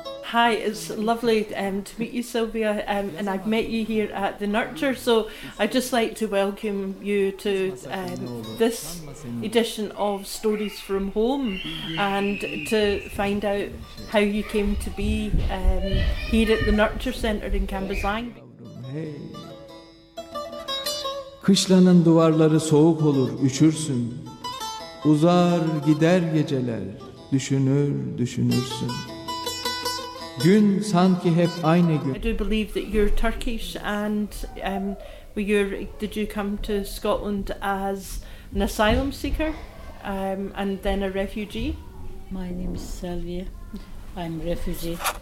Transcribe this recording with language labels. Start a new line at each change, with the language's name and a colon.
English: Hi, it's lovely to meet you, Sylvia, and I've met you here at The Nurture, so I'd just like to welcome you to this edition of Stories from Home and to find out how you came to be here at The Nurture Centre in Cambuslang.
Turkish: Kışlanın duvarları soğuk olur, üşürsün. Uzar gider geceler, düşünür, düşünürsün. Gün sanki hep aynı gün.
English: I do believe that you're Turkish and did you come to Scotland as an asylum seeker and then a refugee? My name is Sylvia. I'm a refugee.